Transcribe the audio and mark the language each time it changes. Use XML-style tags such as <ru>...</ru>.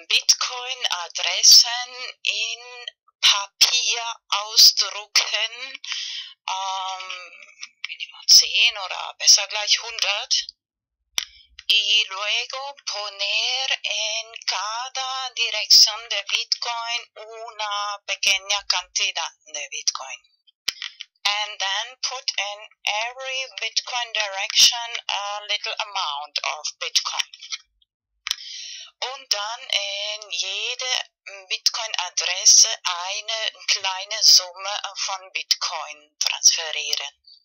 <de>Bitcoin-Adressen in Papierausdrucken, Minimum 10 oder besser gleich 100.</de> <es>Y luego poner en cada dirección de Bitcoin una pequeña cantidad de Bitcoin.</es> <en>And then put in every Bitcoin direction a little amount of Bitcoin.</en> <de>Und dann in jede Bitcoin-Adresse eine kleine Summe von Bitcoin transferieren.</de>